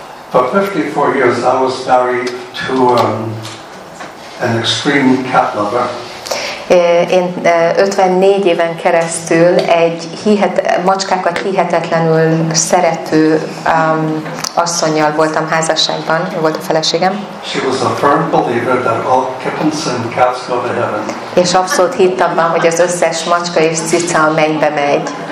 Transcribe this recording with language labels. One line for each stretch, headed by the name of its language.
English: For 54 years I was married to an extreme cat lover.
Hungarian: Én 54 éven keresztül egy macskákat hihetetlenül szerető asszonnyal voltam házasságban, volt a feleségem.
English: She was a firm believer that all kittens and cats go to heaven.
Hungarian: És abszolút hitt abban, hogy az összes macska és cica a mennybe megy.